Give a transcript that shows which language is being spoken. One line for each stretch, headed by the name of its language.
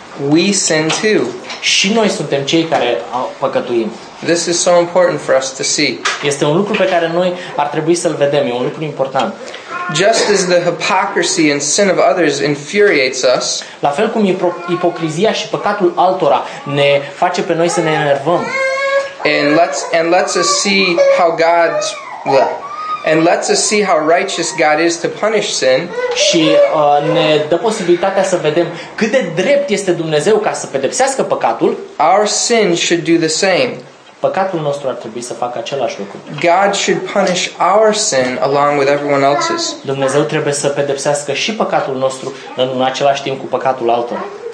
English: We sin too.
Romanian: Și noi suntem cei care păcătuim.
English: This is so important for us to see.
Romanian: Este un lucru pe care noi ar trebui să-l vedem, e un lucru important.
English: Just as the hypocrisy and sin of others infuriates us,
Romanian: la fel cum ipocrizia și păcatul altora ne face pe noi să ne enervăm.
English: And lets us see how God's and lets us see how righteous God is to punish sin.
Romanian: Și ne dă posibilitatea să vedem cât de drept este Dumnezeu ca să pedepsească păcatul.
English: Our sin should do the same.
Romanian: Păcatul nostru ar trebui să facă același lucru.
English: God should punish our sin along with everyone else's.
Romanian: Dumnezeu trebuie să pedepsească și păcatul nostru în același timp cu păcatul altul.